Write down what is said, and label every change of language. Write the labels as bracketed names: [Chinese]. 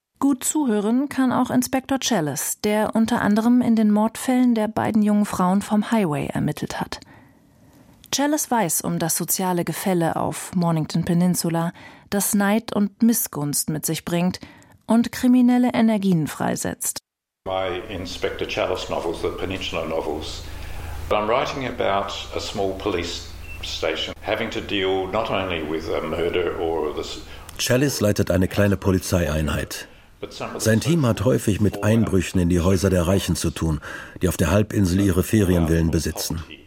[German] Gut zuhören kann auch Inspektor Chalice, der unter anderem in den Mordfällen der beiden jungen Frauen vom Highway ermittelt hat. Chalice weiß um das soziale Gefälle auf Mornington Peninsula, das Neid und Missgunst mit sich bringt und kriminelle Energien freisetzt. [English] My Inspector Chalice novels, the Peninsula novels, but I'm writing about a small police station having to deal not only with a murder or the. [German] Chalice leitet eine kleine Polizeieinheit. Sein Team hat häufig mit Einbrüchen in die Häuser der Reichen zu tun, die auf der Halbinsel ihre Ferienvillen besitzen.